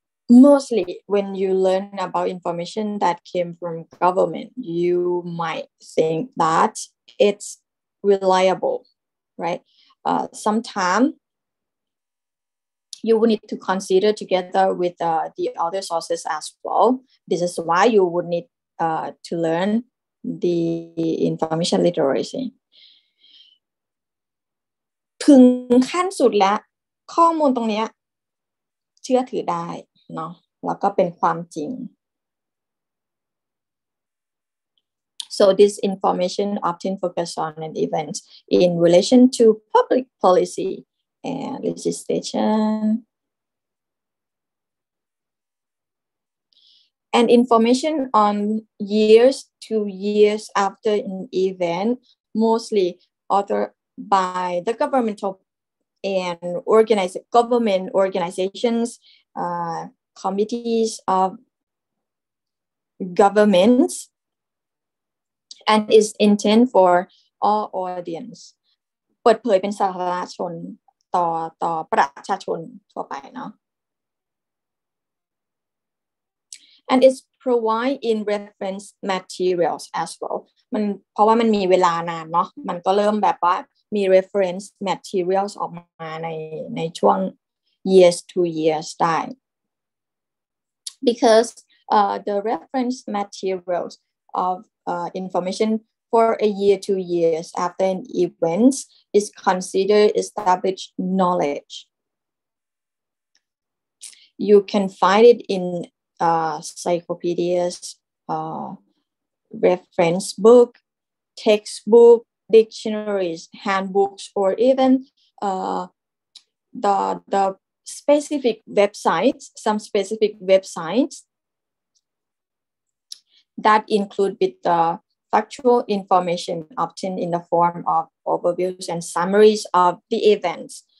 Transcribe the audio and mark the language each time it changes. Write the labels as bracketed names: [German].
[English] Mostly, when you learn about information that came from government, you might think that it's reliable, right? Sometimes,you would need to consider together with the other sources as well. This is why you would need to learn the information literacy. [Thai] ถึงขั้นสุดแล้วข้อมูลตรงนี้เชื่อถือได้เนาะแล้วก็เป็นความจริง [English] So this information often focus on an event in relation to public policy and legislation. And information on years to years after an event, mostly authored by the governmental and government organizations, committees of governments, and is intended for all audience. [Thai] เปิดเผยเป็นสาธารณชนต่อประชาชนทั่วไปเนาะ [English] And it's provided in reference materials as well. [Thai] มันเพราะว่ามันมีเวลานานเนาะมันก็เริ่มแบบว่ามี reference materials ออกมาในช่วง years to years ได้ [English] Because the reference materials of information for a year to years after an event is considered established knowledge. You can find it in. Encyclopedias, reference book, textbook, dictionaries, handbooks, or even the specific websites, some specific websites that include with the factual information obtained in the form of overviews and summaries of the events.